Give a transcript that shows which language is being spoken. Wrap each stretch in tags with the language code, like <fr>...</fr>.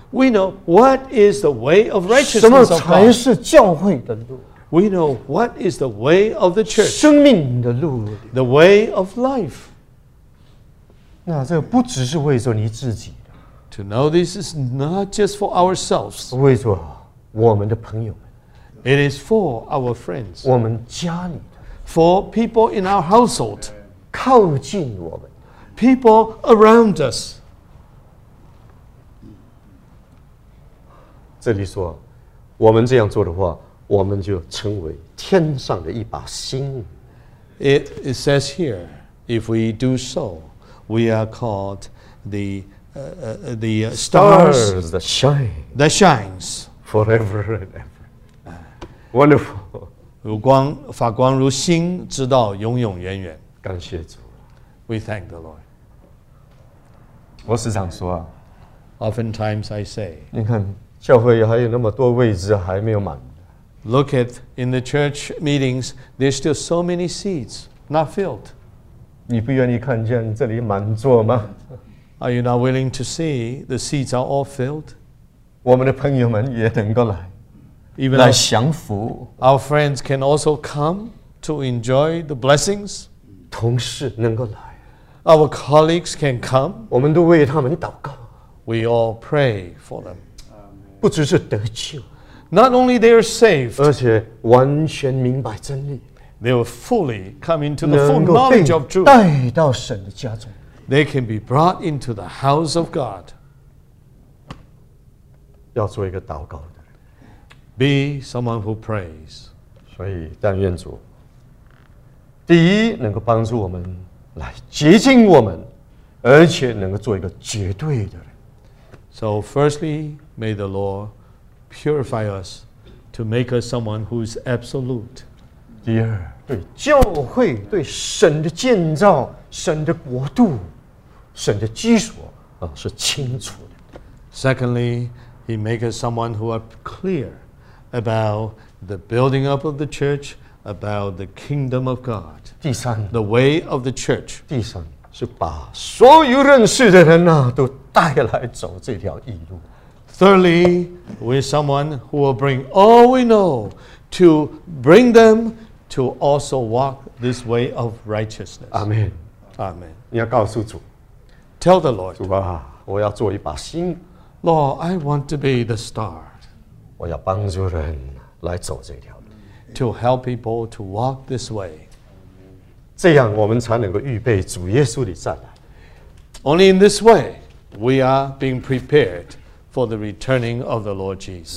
<en>We know what is the way of righteousness of God.</en> <zh>什么才是教会的路？</zh> <en>We know what is the way of the church.</en> <zh>生命的路。</zh> <en>The way of life.</en> <zh>那这不只是为着你自己。</zh> <en>To know this is not just for ourselves.</en> <zh>为着我们的朋友们。</zh> <en>It is for our friends.</en> <zh>我们家里的。</zh> <en>For people in our household.</en> <zh>靠近我们。</zh> <en>People around us.</en> <zh>这里说，我们这样做的话，我们就成为天上的一把星。</zh> <en>It says here, if we do so, we are called the stars, stars that shine that shines forever and ever. Wonderful.</en> <zh>如光，发光如新，直到永永远远。感谢主。</zh> <en>We thank the Lord.</en> <zh>我时常说啊。</zh> <en>Oftentimes I say.</en> <zh>你看，教会还有那么多位置还没有满。</zh> <en>Look at in the church meetings, there's still so many seats not filled.</en> <zh>你不愿意看见这里满座吗？</zh> <en>Are you not willing to see the seats are all filled?</en> <zh>我们的朋友们也能够来</zh> <en>Even</en> <zh>来享福</zh> <en>Our friends can also come to enjoy the blessings</en> <zh>同事能够来</zh> <en>Our colleagues can come</en> <zh>我们都为他们祷告</zh> <en>We all pray for them</en> <zh>不只是得救</zh> <en>Not only they are saved</en> <zh>而且完全明白真理</zh> <en>They will fully come into the full knowledge of truth</en> <zh>能够被带到神的家中</zh> <en>They can be brought into the house of God.</en> <zh>要做一个祷告的人。</zh> <en>Be someone who prays.</en> <zh>所以，但愿主，第一，能够帮助我们来洁净我们，而且能够做一个绝对的人。</zh> <en>So firstly, may the Lord purify us to make us someone who is absolute.</en> <zh>第二，对教会，对神的建造，神的国度。神的基础、是清楚的。</zh> <en>Secondly, he makes someone who are clear about the building up of the church, about the kingdom of God.</en> <zh>第三</zh> <en>the way of the church.</en> <zh>第三是把所有认识的人、都带来走这条义路。</zh> <en>Thirdly, we're someone who will bring all we know to bring them to also walk this way of righteousness. Amen. Amen.</en> <zh>你要告诉主。</zh> <en>Tell the Lord,</en> <zh>主啊，我要做一把星。</zh> <en>Lord, I want to be the star.</en> <zh>我要帮助人来走这条路。</zh> <en>To help people to walk this way.</en> <zh>这样我们才能够预备主耶稣的再来。</zh> <en>Only in this way, we are being prepared for the returning of the Lord Jesus.</en>